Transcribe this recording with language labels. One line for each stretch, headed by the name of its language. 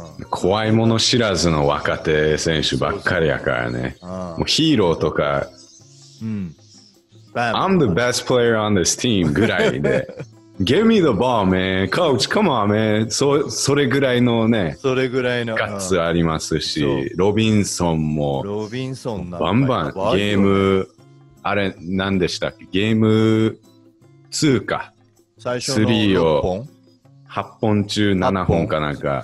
Japanese: 怖いもの知らずの若手選手ばっかりやからね。もうヒーローとか、うん、
English: I'm the best player on this team
Japanese: ぐらいで、
English: Give me the ball, man. Coach, come on, man.
Japanese: それぐらいのね、それぐらいのガッツありますし、ロビンソンも、ロビンソンなんかバンバンゲーム、あれ、何でしたっけ、ゲーム2か。最初の6本 8本中7本かなんか